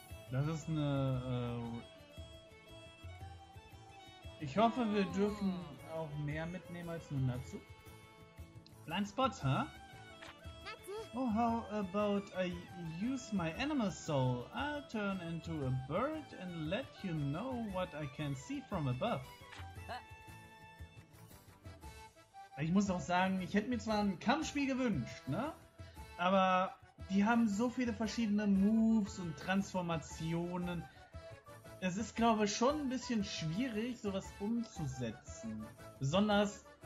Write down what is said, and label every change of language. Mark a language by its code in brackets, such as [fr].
[de] Das ist eine. Ich hoffe, wir dürfen auch mehr mitnehmen als nur dazu. [en] Blind spot, huh? Oh, how about I use my animal soul? I'll turn into a bird and let you know what I can see from above. [de] Ich muss auch sagen, ich hätte mir zwar ein Kampfspiel gewünscht, ne? Aber die haben so viele verschiedene Moves und Transformationen. Es ist, glaube ich, schon ein bisschen schwierig, sowas umzusetzen. Besonders...